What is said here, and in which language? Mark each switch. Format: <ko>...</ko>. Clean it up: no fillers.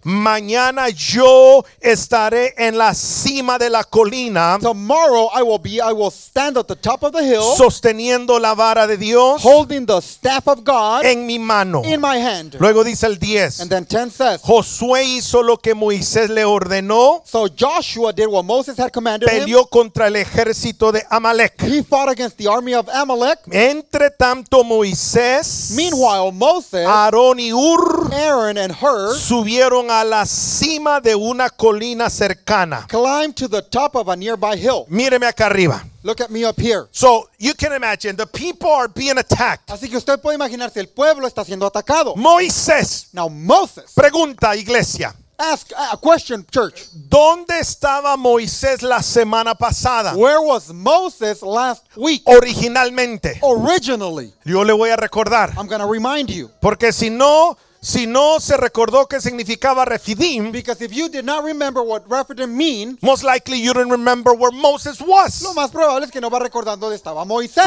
<es>Mañana yo estaré en la cima de la colina.</es> <en>Tomorrow I will stand at the top of the hill.</en> <es>Sosteniendo la vara de Dios.</es> <en>Holding the staff of God.</en> <es>En mi mano.</es> <en>In my hand.</en> <es>Luego dice el 10.</es> <en>And then 10 says,</en> <es>Josué hizo lo que Moisés le ordenó.</es> <en>So Joshua did what Moses had commanded.</en> <es>Peleó contra el ejército de Amalek.</es> <en>He fought against the army of Amalek.</en> <es>Entre tanto Moisés,</es> <en>meanwhile Moses,</en> <es>Aarón y Ur,</es> <en>Aaron and her,</en> <es>subieron a la cima de una colina cercana.</es> <en>Climbed to the top of a nearby hill.</en> <es>Míreme acá arriba.</es> <en>Look at me up here. So you can imagine the people are being attacked.</en> <es>Así que usted puede imaginarse, el pueblo está siendo atacado. Moisés.</es> <en>Now Moses.</en> <es>Pregunta, iglesia.</es> <en>Ask a question, church.</en> <es>¿Dónde estaba Moisés la semana pasada?</es> <en>Where was Moses last week?</en> <es>Originalmente.</es> <en>Originally.</en> <es>Yo le voy a recordar.</es> <en>I'm going to remind you.</en> <es>Porque si no se recordó qué significaba Rephidim,</es> <en>because if you did not remember what Rephidim mean, most likely you don't remember where Moses was.</en> <es>Lo más probable es que no va recordando dónde estaba Moisés.</es>